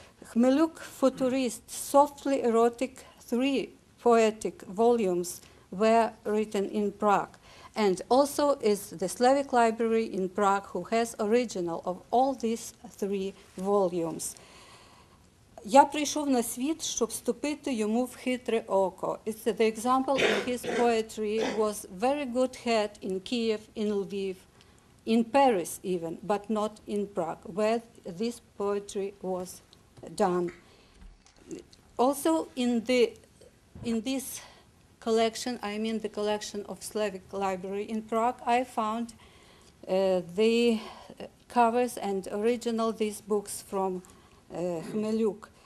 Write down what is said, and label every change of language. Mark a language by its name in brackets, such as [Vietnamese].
[English] Khmelyuk futurist, softly erotic, three poetic volumes were written in Prague. And also is the Slavic Library in Prague who has original of all these three volumes. [Ukrainian] Я прийшов на світ, щоб вступити йому в хитре око. [English] It's the example of his poetry was very good heard in Kiev, in Lviv, in Paris even, but not in Prague, where this poetry was done. Also in this collection, the collection of Slavic Library in Prague, I found the covers and original these books from Khmelyuk.